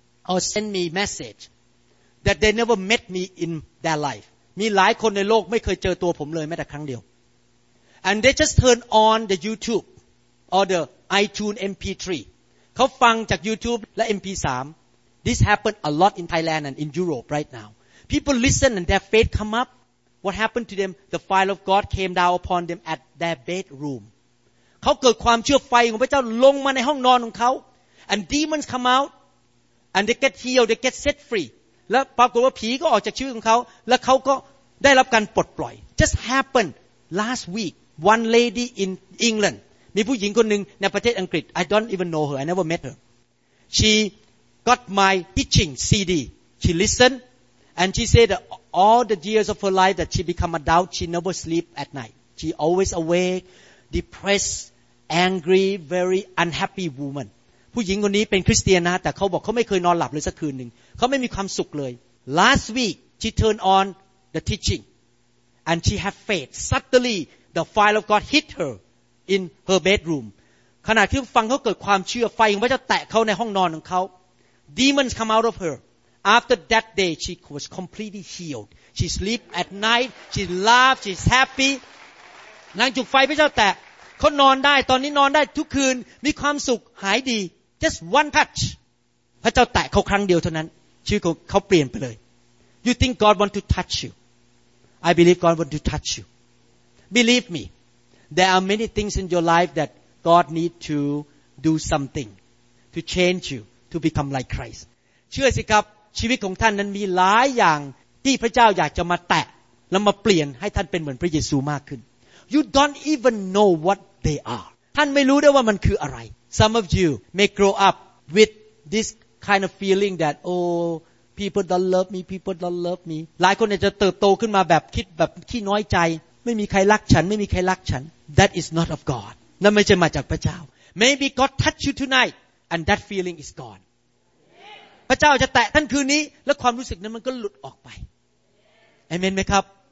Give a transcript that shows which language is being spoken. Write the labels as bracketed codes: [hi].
[en] or send me message that they never met me in their life [th] มีหลายคนในโลกไม่เคยเจอตัวผมเลยแม้แต่ครั้งเดียว [en] and they just turn on the YouTube or the iTunes MP3 [th] เขาฟังจาก YouTube และ MP3 [en] This happened a lot in Thailand and in Europe right now. People listen and their faith come up. What happened to them? The fire of God came down upon them at their bedroom. [th] เขาเกิดความเชื่อไฟของพระเจ้าลงมาในห้องนอนของเขา [en] And demons come out and they get healed, they get set free. [th] และปรากฏว่าผีก็ออกจากชีวิตของเขาและเขาก็ได้รับการปลดปล่อย [en] Just happened last week. One lady in England [th] มีผู้หญิงคนหนึ่งในประเทศอังกฤษ [en] I don't even know her I never met her She got my teaching CD She listened and she said that all the years of her life that she become adult she never sleep at night She always awake depressed, angry, very unhappy woman. [th] ผู้หญิงคนนี้เป็นคริสเตียนนะแต่เขาบอกเขาไม่เคยนอนหลับเลยสักคืนหนึ่งเขาไม่มีความสุขเลย [en] Last week she turned on the teaching and she had faith. Suddenly the fire of God hit her in her bedroom. [th] ขณะที่ฟังเขาเกิดความเชื่อไฟของพระเจ้าแตะเขาในห้องนอนของเขา [en] Demons come out of her. After that day, she was completely healed. She sleep at night. She laugh. She's happy. [th] นางจุดไฟพระเจ้าแตะเขานอนได้ตอนนี้นอนได้ทุกคืนมีความสุขหายดี [en] Just one touch. [th] พระเจ้าแตะเขาครั้งเดียวเท่านั้นชีวิตของเขาเปลี่ยนไปเลย [en] You think God want to touch you? I believe God want to touch you. Believe me. There are many things in your life that God need to do something to change you to become like Christ. [th] เชื่อสิครับชีวิตของท่านนั้นมีหลายอย่างที่พระเจ้าอยากจะมาแตะแล้วมาเปลี่ยนให้ท่านเป็นเหมือนพระเยซูมากขึ้น [en] You don't even know what they are [th] ท่านไม่รู้ได้ว่ามันคืออะไร [en] Some of you may grow up with this kind of feeling that oh people don't love me people don't love me [th] หลายคนอาจจะเติบโตขึ้นมาแบบคิดแบบขี้น้อยใจไม่มีใครรักฉันไม่มีใครรักฉัน [en] That is not of God [th] นั่นไม่ใช่มาจากพระเจ้า [en] Maybe God touch you tonight and that feeling is gone [th] พระเจ้าจะแตะท่านคืนนี้และความรู้สึกนั้นมันก็หลุดออกไปเอเมนไหมครับ